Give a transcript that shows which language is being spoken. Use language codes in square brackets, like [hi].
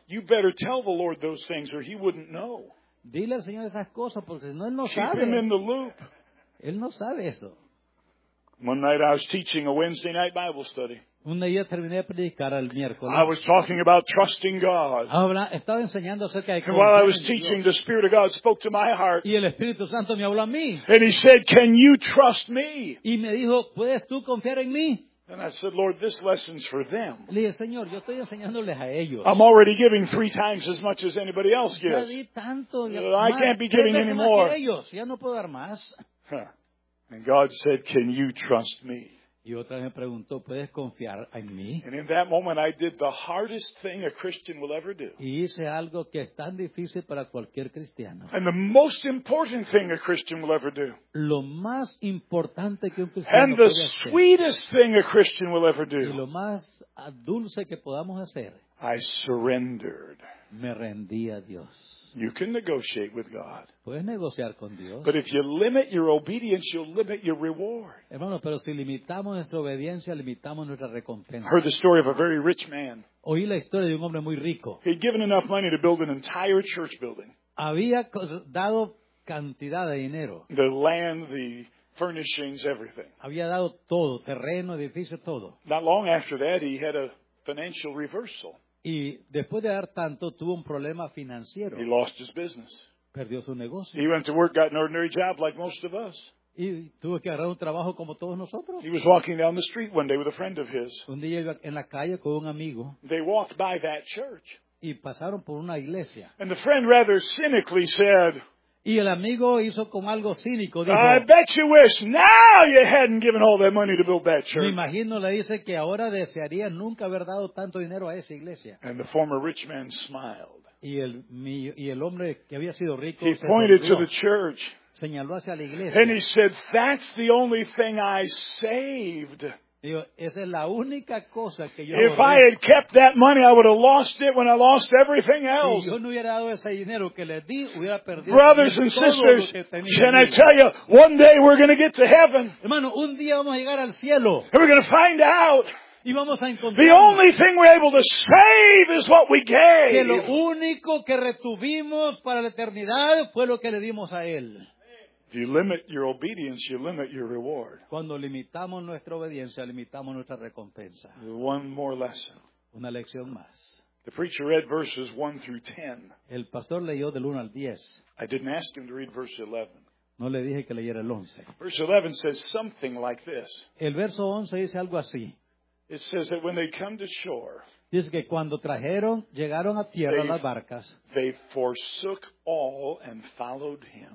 [en] You better tell the Lord those things or he wouldn't know. [es] Dile al Señor esas cosas porque si no, Él no [en] Keep [es] sabe. [en] Him in the loop. [es] Él no sabe eso. [en] One night I was teaching a Wednesday night Bible study. [es] Un día terminé de predicar el miércoles. [en] I was talking about trusting God. [es] Estaba enseñando acerca de [en] and while I was teaching, the Spirit of God spoke to my heart. [es] Y el Espíritu Santo me habló a mí. [en] And He said, can you trust me? [es] Y me dijo, ¿puedes tú confiar en mí? [en] And I said, Lord, this lesson's for them. [es] Le dije, Señor, yo estoy enseñándoles a ellos. [en] I'm already giving three times as much as anybody else gives. [es] Ya di tanto, ya [en] I [es] más, [en] can't be giving any more. [es] Ellos, ya no puedo dar más. [en] And God said, can you trust me? [es] Y otra vez me preguntó, ¿puedes confiar en mí? [en] And in that moment, I did the hardest thing a Christian will ever do. [es] Y hice algo que es tan difícil para cualquier cristiano. [en] And the most important thing a Christian will ever do. [es] Lo más importante que un cristiano [en] and the sweetest thing a Christian will ever do. [es] Y lo más dulce que podamos hacer. [en] I surrendered. [es] Me rendí a Dios. [en] You can negotiate with God. [es] Puedes negociar con Dios. [en] But if you limit your obedience, you'll limit your reward. [es] Hermano, pero si limitamos nuestra obediencia, limitamos nuestra recompensa. [en] I heard the story of a very rich man. [es] Oí la historia de un hombre muy rico. [en] He'd given enough money to build an entire church building. [es] Había dado cantidad de dinero. [en] The land, the furnishings, everything. [es] Había dado todo, terreno, edificio, todo. [en] Not long after that, he had a financial reversal. [es] Y después de dar tanto, tuvo un problema financiero. [en] He lost his business. [es] Perdió su negocio. [en] He went to work, got an ordinary job like most of us. [es] Y tuvo que agarrar un trabajo como todos nosotros. [en] He was walking down the street one day with a friend of his. [es] Un día iba en la calle con un amigo. [en] They walked by that church. [es] Y pasaron por una iglesia. [en] And the friend rather cynically said, [es] y el amigo hizo con algo cínico, dijo, [en] I bet you wish now you hadn't given all that money to build that church. [es] Me imagino, le dice, que ahora desearía nunca haber dado tanto dinero a esa iglesia. [en] And the former rich man smiled. [es] Y el hombre que había sido rico, [en] he pointed to the church. [es] Señaló hacia la iglesia. [en] And he said, that's the only thing I saved. [es] Esa es la única cosa que yo. [en] If I had kept that money, I would have lost it when I lost everything else. [es] Si yo no hubiera dado ese dinero que le di, hubiera perdido. [en] Brothers and sisters, can I tell you, one day we're going to get to heaven. [es] Hermano, un día vamos a llegar al cielo. [en] And we're going to find out. [es] Y vamos a encontrar. [en] The only thing we're able to save is what we gave. [es] Que lo único que retuvimos para la eternidad fue lo que le dimos a él. [en] If you limit your obedience, you limit your reward. [es] Cuando limitamos nuestra obediencia, limitamos nuestra recompensa. [en] One more lesson. [es] Una lección más. [en] The preacher read verses 1 through 10. [es] El pastor leyó del 1 al 10. [en] I didn't ask him to read verse 11. [es] No le dije que leyera el 11. [en] Verse 11 says something like this. [es] El verso 11 dice algo así. [en] It says that when they come to shore, [es] dice que cuando trajeron, llegaron a tierra las barcas, [en] they forsook all and followed him.